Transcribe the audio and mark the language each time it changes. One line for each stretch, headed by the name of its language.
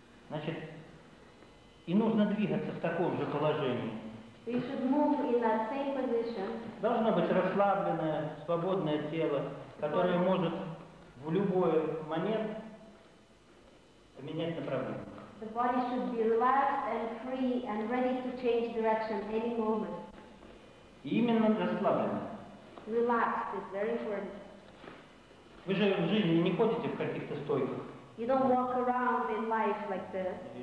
Russian: Значит, и нужно двигаться в таком же положении.
English: We should move in that same position.
Russian: Должно быть расслабленное, свободное тело, которое может в любой момент поменять направление.
English: The body should be relaxed and free and ready to change direction any moment.
Russian: И именно расслабленное.
English: Relaxed is very important.
Russian: Вы же в жизни не ходите в каких-то стойках.
English: You don't walk around in life like this.